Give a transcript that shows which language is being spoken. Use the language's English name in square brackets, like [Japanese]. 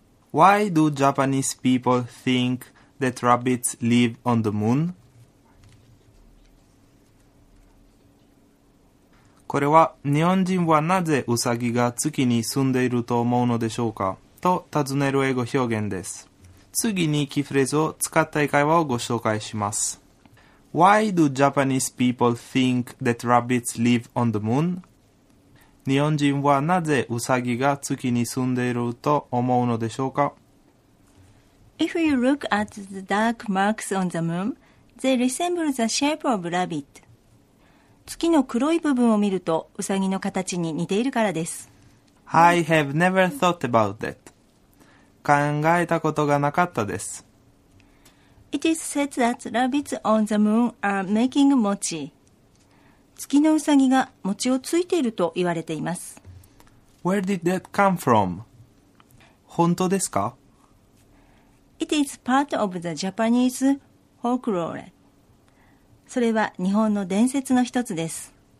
[English] Why do Japanese people think that rabbits live on the moon? [Japanese] これは日本人はなぜウサギが月に住んでいると思うのでしょうかと尋ねる英語表現です。次にキーフレーズを使った会話をご紹介します。 [English] Why do Japanese people think that rabbits live on the moon? [Japanese] 日本人はなぜウサギが月に住んでいると思うのでしょうか? [English] If you look at the dark marks on the moon, they resemble the shape of rabbit. [Japanese] 月の黒い部分を見るとウサギの形に似ているからです。 [English] I have never thought about that. [Japanese] 考えたことがなかったです。 [English] It is said that rabbits on the moon are making mochi. [Japanese] 月のうさぎが餅をついていると言われています。 [English] Where did that come from? [Japanese] 本当ですか? [English] It is part of the Japanese folklore. [Japanese] それは日本の伝説の一つです。